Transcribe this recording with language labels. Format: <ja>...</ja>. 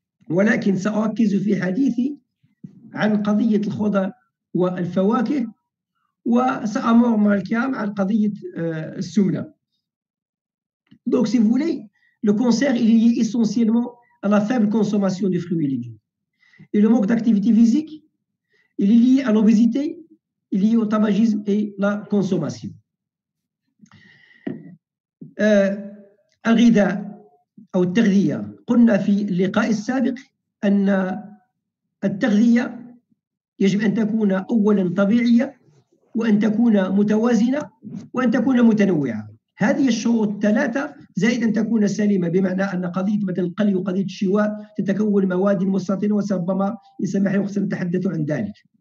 <ar>ولكن سأركز في حديثي عن قضية الخضر والفواكه وسأمر مع الكلام على قضية السمنة.</ar> <fr>Donc si vous voulez, le cancer est lié essentiellement à la faible consommation de fruits et légumes. Et le manque d'activité physique, il est lié à l'obésité, il est lié au tabagisme et à la consommation.</fr> <ar>الغداء أو التغذية قلنا في اللقاء السابق أن التغذية يجب أن تكون أولا طبيعية وأن تكون متوازنة وأن تكون متنوعة هذه الشروط الثلاثة زائد أن تكون سليمة بمعنى أن قضية مثل القلي وقضية الشواء تتكون مواد مستطيلة وربما يسمح لي وسنتحدث عن ذلك</ar>